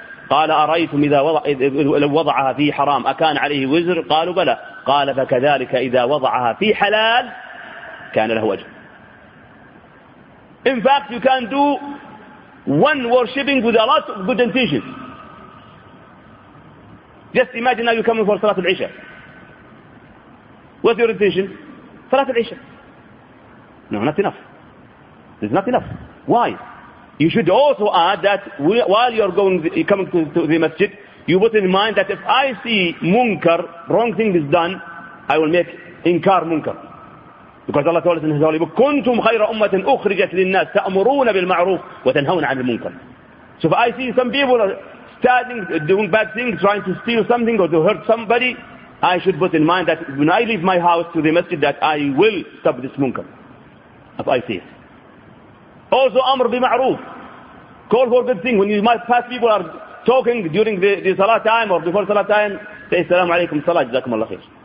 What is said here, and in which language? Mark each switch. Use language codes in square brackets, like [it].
[ar] قال أرأيتم إذا وضعها في حرام أكان عليه وزر؟ قالوا بلى. قال فكذلك إذا وضعها في حلال كان له أجر. [en] In fact, you can do one worshipping with a lot of good intentions. Just imagine now you come in for Salat al-Isha. What's your intention? Salat al-Isha. No, not enough. It's not enough. Why? You should also add that while you're coming to the masjid, you put in mind that if I see munkar, wrong thing is done, I will make inkar munkar. Because Allah told us in His Holy Book, [ar] كنتم خير أمة أخرجت للناس تأمرون بالمعروف وتنهون عن المنكر. [en] So if I see some people standing, doing bad things, trying to steal something or to hurt somebody, I should put in mind that when I leave my house to the masjid, that I will stop this munkar. If I see it. Also, [ar] أمر بمعروف. [en] Call for good thing. When you might pass people are talking during the Salah time or before Salah time, say, [ar] السلام عليكم صلاة جزاكم الله خير.